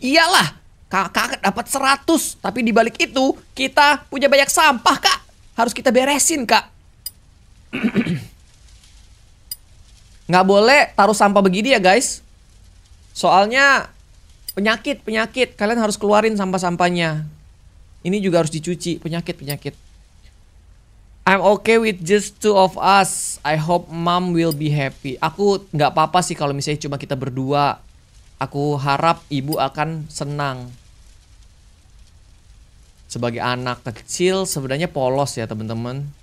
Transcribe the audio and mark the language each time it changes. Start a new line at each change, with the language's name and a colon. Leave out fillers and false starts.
Indonesian: Iyalah, kakak dapat 100, tapi di balik itu kita punya banyak sampah kak, harus kita beresin kak. Nggak boleh taruh sampah begini ya guys, soalnya penyakit-penyakit, kalian harus keluarin sampah-sampahnya. Ini juga harus dicuci, penyakit-penyakit.
English: I'm okay with just two of us. I hope mom will be happy.
Indonesian: Aku gak apa-apa sih kalau misalnya cuma kita berdua. Aku harap ibu akan senang. Sebagai anak kecil sebenarnya polos ya teman-teman.